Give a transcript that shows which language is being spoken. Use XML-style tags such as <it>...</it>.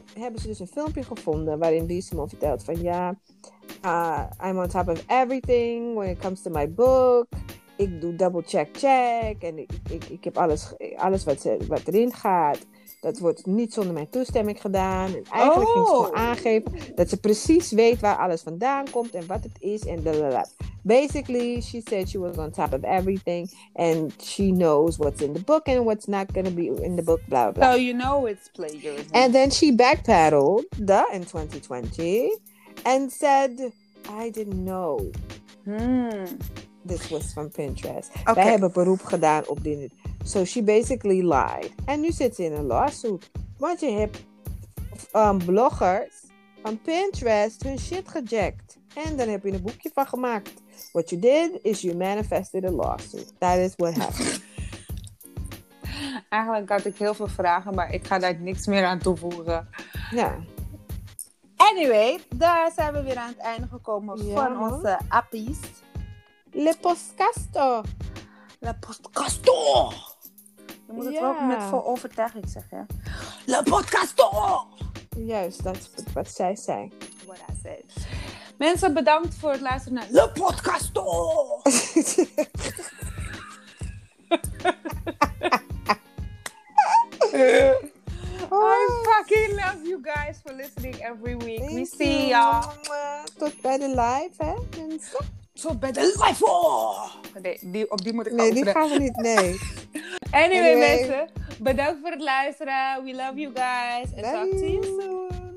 <nl>Hebben ze dus een filmpje gevonden waarin Bea Simone vertelt van ja,</nl> <en>I'm on top of everything when it comes to my book.</en> <nl>Ik doe double check. En ik heb alles wat erin gaat. Dat wordt niet zonder mijn toestemming gedaan. En eigenlijk ging ze gewoon aangeven dat ze precies weet waar alles vandaan komt en wat het is. En blablabla.</nl> <en>Basically, she said she was on top of everything. And she knows what's in the book and what's not going to be in the book. Blah, blah. So you know it's plagiarism. And then she backpedaled in 2020 and said, I didn't know. This was from Pinterest. Okay.</en> <nl>Wij hebben beroep gedaan op dit.</nl> <en>So she basically lied.</en> <nl>En nu zit ze in een lawsuit. Want je hebt bloggers van Pinterest hun shit gejackt. En dan heb je een boekje van gemaakt.</nl> <en>What you did is you manifested a lawsuit. That is what happened.</en> <nl>Eigenlijk had ik heel veel vragen, maar ik ga daar niks meer aan toevoegen. Ja. Anyway, daar zijn we weer aan het einde gekomen van onze appies. Le podcasto. Le podcasto. Je moet het wel met vol overtuiging zeggen. Le podcasto. Juist, dat is wat zij zei.</nl> <en>What I said.</en> <nl>Mensen, bedankt voor het luisteren naar Le podcasto.</nl> <en>I fucking love you guys for listening every week. Thank we you. See y'all.</en> <nl>Tot bij de live, hè, mensen. Zo bij de life. Die moet ik openen. Nee, die gaan we niet. Nee. anyway, mensen. Bedankt voor het luisteren.</nl> <en>We love you guys. And talk to you soon.</en>